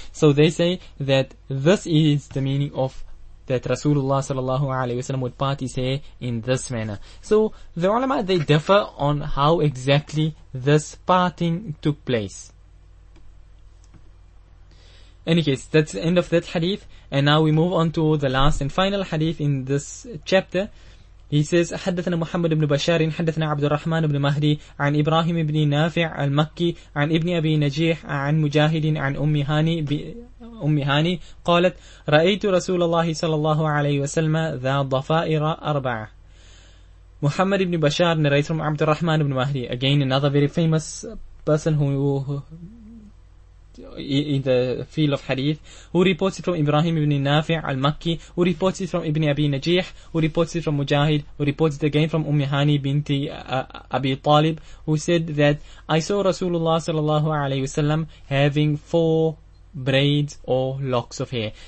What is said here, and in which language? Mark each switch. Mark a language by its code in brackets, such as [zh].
[en] So they say that this is the meaning of that Rasulullah sallallahu alayhi wasallam would part his hair in this manner. So the ulama, they differ on how exactly this parting took place. Any case, that's the end of that hadith. And now we move on to the last and final hadith in this chapter. He says, [ar] حدثنا محمد بن بشار حدثنا عبد الرحمن بن مهدي عن إبراهيم بن نافع المكي عن ابن أبي نجيح عن مجاهد عن أم هاني قالت رأيت رسول الله صلى الله عليه وسلم ذا ضفائر أربعة. [en] محمد بن بشار narrates from عبد الرحمن بن مهدي, again another very famous person in the field of hadith, who reports it from Ibrahim ibn Nafi' al-Makki, who reports it from Ibn Abi Najih, who reports it from Mujahid, who reports it again from Hani binti Abi Talib, who said that I saw Rasulullah sallallahu alayhi wasallam having four braids or locks of hair.